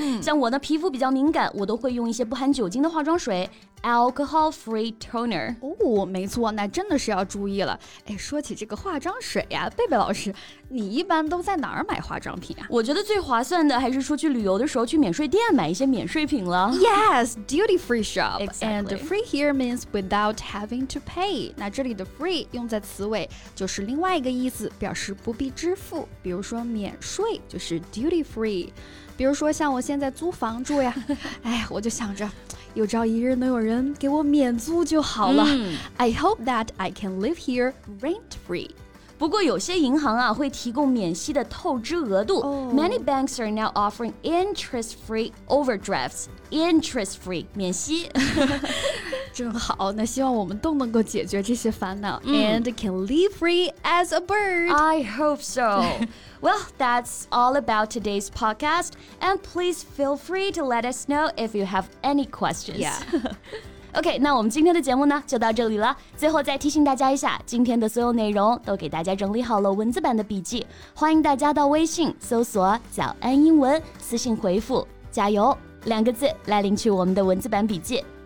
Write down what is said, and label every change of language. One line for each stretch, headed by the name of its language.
Chinese: 像我呢，皮肤比较敏感，我都会用一些不含酒精的化妆水 ，alcohol free toner。没错，那真的是要注意了。说起这个化妆水呀，贝贝老师，你一般都在哪儿买化妆品啊？我觉得最划算的还是出去旅游的时候去免税店买一些免税品了。
English: Yes, duty free shop. Exactly. And free here means without having to pay.
Chinese: 那这里的 free 用在词尾就是另外一个意思，表示不必支付。比如说免税就是 duty free， 比如说像我现在租房住呀，我就想着有朝一日能有人给我免租就好了。
English: I hope that I can live here rent free。
Chinese: 不过有些银行啊会提供免息的透支额度。
English: Many banks are now offering interest free overdrafts. Interest free 免息。
Chinese: 真好，那希望我们都能够解决这些烦恼。
English: And can live free as a bird. I hope so. Well, that's all about today's podcast. And please feel free to let us know if you have any questions. Yeah.
Chinese: OK, 那我们今天的节目呢就到这里了。最后再提醒大家一下，今天的所有内容都给大家整理好了文字版的笔记。欢迎大家到微信搜索早安英文，私信回复加油两个字来领取我们的文字版笔记。